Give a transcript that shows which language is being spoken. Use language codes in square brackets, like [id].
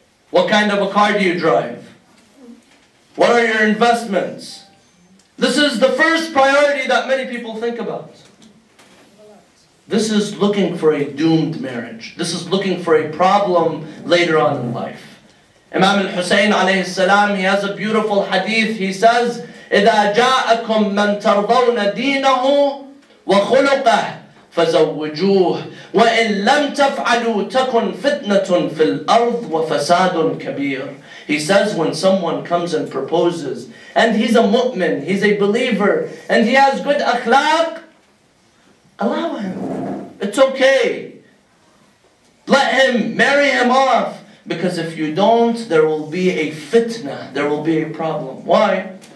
[en] What kind of a car do you drive? What are your investments? This is the first priority that many people think about. This is looking for a doomed marriage. This is looking for a problem later on in life. Imam al-Husayn alayhi salam, he has a beautiful hadith. He says, [ar] إذا جاءكم من ترضون دينه وخلقه فزوجوه وإن لم تفعلوا تكن فتنة في الأرض وفساد كبير. [en] He says when someone comes and proposes and he's a mu'min, he's a believer and he has good akhlaq, allow him. It's okay. Let him, marry him off. Because if you don't, there will be a fitna. There will be a problem. Why?